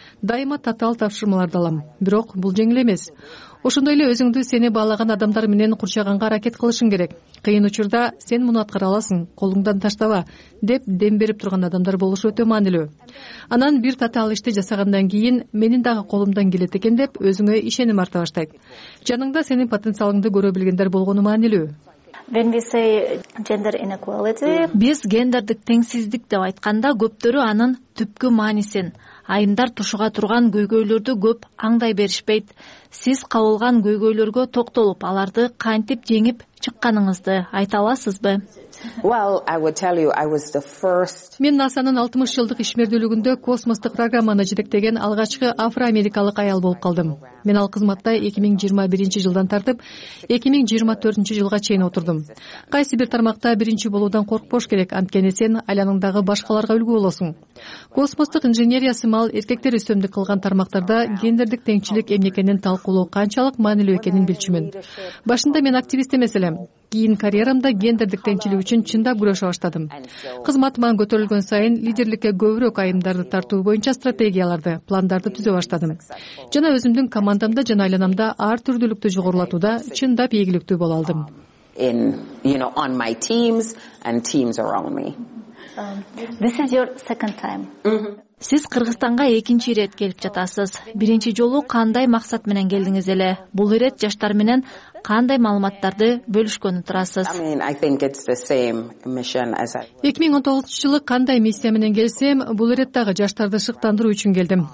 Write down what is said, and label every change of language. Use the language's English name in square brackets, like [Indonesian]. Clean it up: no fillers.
[Kyrgyz] Дайыма татаал тапшырмаларды алам, бирок бул жеңил эмес. Ошондой эле өзүңдү сени баалаган адамдар менен курчаганга аракет кылышың керек. Кыйын учурда сен муну аткара аласың, колуңдан таштаба деп дем берип турган адамдар болушу өтө маанилүү. Анан бир татаал ишти жасагандан кийин менин дагы колумдан келет экен деп өзүңө ишеним арта баштайт. Жаныңда сенин потенциалыңды көрө билгендер болгону маанилүү. [English] When we say gender inequality, [Kyrgyz] биз гендердик теңсиздик деп айтканда көптөрү анын түпкү маанисин, айымдар тушуга турган көйгөйлөрдү көп аңдай беришпейт. Сиз кабылган көйгөйлөргө токтолуп, аларды кантип жеңип чыкканыңызды айта аласызбы? [English] Well, I would tell you, I was the first. [Kyrgyz] Мен NASA'нын 60 жылдык ишмердүүлүгүндө космостук программаны жетектеген алгачкы афроамерикалык аял болуп калдым. Мен ал кызматта 2021 жылдан тартып 2024 жылга чейин отурдум. Кайсы бир тармакта биринчи болуудан коркпош керек, анткени сен айланыңдагы башкаларга үлгү болосуң. Космостук инженериясы мал эркектер үстөмдүк кылган тармактарда гендердик теңчилик эмне экенин талкуулоо канчалык маанилүү экенин билчүмүн. Башында мен активист эмес элем. Кийин карьерамда гендердик теңчилик үчүн чындап күрөшө баштадым. Кызматыма көтөрүлгөн сайын лидерликке көбүрөөк айымдарды тартуу боюнча стратегияларды, пландарды түзө баштадым. Жана өзүмдүн командамда жана айланамда ар түрдүүлүктү жогорулатууда чындап ийгиликтүү боло алдым. [English] On my teams and teams around me. This is your second time. [Kyrgyz] Сиз Кыргызстанга экинчи ирет келип жатасыз. Биринчи жолу кандай максат менен келдиңиз эле? Бул ирет жаштар менен кандай маалыматтарды бөлүшкөнү турасыз? 2019 жылы кандай миссия менен келсем, бул ирет дагы жаштарды шыктандыруу үчүн келдим.